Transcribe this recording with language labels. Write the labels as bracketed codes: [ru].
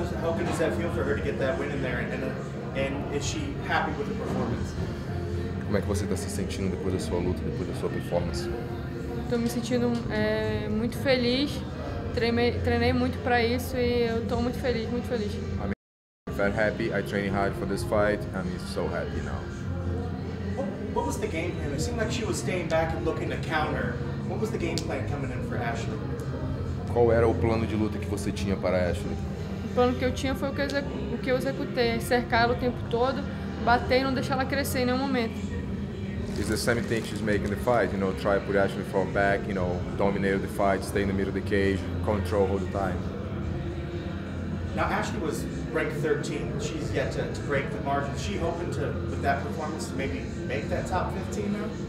[en] How good does that feel for her to get that win in there? And is she happy with the performance? [pt] Como é que você está se sentindo depois da sua luta, depois da sua performance? Estou me sentindo muito feliz. Treinei muito para isso e eu estou muito feliz, muito feliz. [en] I mean, I felt happy. I trained hard for this fight. I'm so happy now. What was the game plan? It seemed like she was staying back and looking to counter. What was the game plan coming in for Ashlee? [pt] Qual era o plano de luta que você tinha para Ashlee? O plano que eu tinha foi o que eu executei, cercá-la o tempo todo, bater e não deixar ela crescer em nenhum momento. [en] It's the same thing she's making the fight, you know, try to put Ashlee from back, you know, dominate the fight, stay in the middle of the cage, control all the time. Now Ashlee was ranked 13, she's yet to break the margin. Is she hoping to, with that performance, to maybe make that top 15 now?